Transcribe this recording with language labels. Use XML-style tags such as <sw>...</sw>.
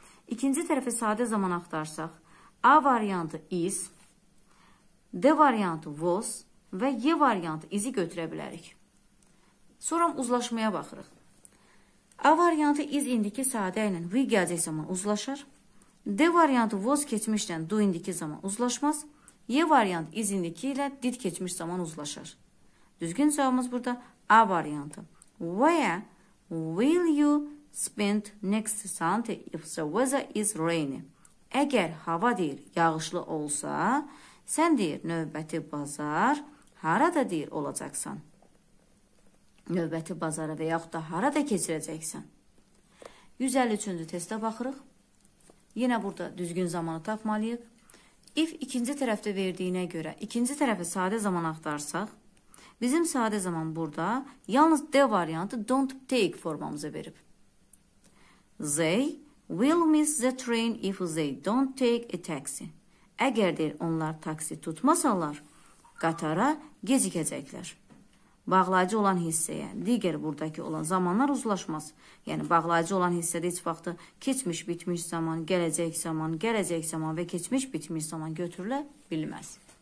<az>İkinci tərəfi sadə zaman axtarsaq, A variantı is, D variantı was və Y variantı is-i götürə bilərik. Sonra uzlaşmaya baxırıq. A variantı is indiki sadə ilə we gələcək zaman uzlaşar. D variantı was keçmişlə do indiki zaman uzlaşmaz. Y variantı is indiki ilə did keçmiş zaman uzlaşar. Düzgün cavabımız burada A variantı.</az> <en>Where will you spend next Sunday if the weather is rainy?</en> <az>Əgər hava deyir yağışlı olsa, sən deyir növbəti bazar harada deyir olacaqsan? Növbəti bazara və yaxud da harada keçirəcəksən? 153-cü testə baxırıq. Yenə burada düzgün zamanı tapmalıyıq. If ikinci tərəfdə verdiyinə görə ikinci tərəfi sadə zaman axtarsaq, bizim sadə zaman burada yalnız D variantı</az> <en>don't take</en> <az>formamızı verib.</az> <en>They will miss the train if they don't take a taxi.</en> <az>Əgər deyir onlar taksi tutmasalar, qatara gecikəcəklər. Bağlayıcı olan hissəyə, digər buradakı olan zamanlar uzlaşmaz. Yəni, bağlayıcı olan hissədə heç vaxtı keçmiş bitmiş zaman, gələcək zaman, gələcək zaman və keçmiş bitmiş zaman götürülə bilməz.</az>